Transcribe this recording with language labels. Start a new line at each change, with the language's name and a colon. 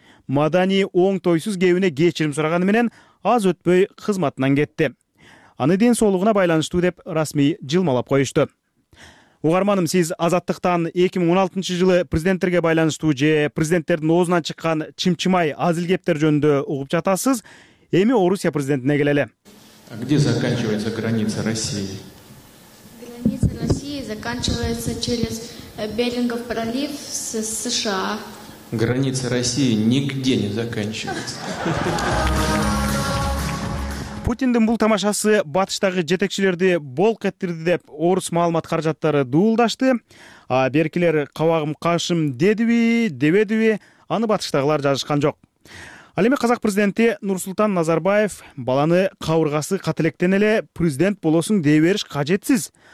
Kyrgyz: Мадани оң тойсуз кебине кечирим сураганы менен аз өтпөй кызматынан кетти. Аны ден соолугуна байланыштуу деп расмий жылмалап коюшту. Угарманым, сиз азаттыктан 2016 жылы президенттерге байланыштуу же президенттердин оозунан чыккан чымчымай азил кептер жөнүндө угуп жатасыз. Эми Орусия президентине келели.
Russian: А где заканчивается граница России? Граница России заканчивается через Берингов пролив с США. Граница России нигде не заканчивается.
Kyrgyz: Путиндин бул тамашасы батыштагы жетекчилерди болк эттирди деп орус маалымат каражаттары дуулдашты. А беркилер кабагым кашым дедиби, дебедиби, аны батыштагылар жазышкан жок. Ал эми казак президенти Нурсултан Назарбаев баланы кабыргасы катылектен эле президент болосуң дей бериш кажетсиз.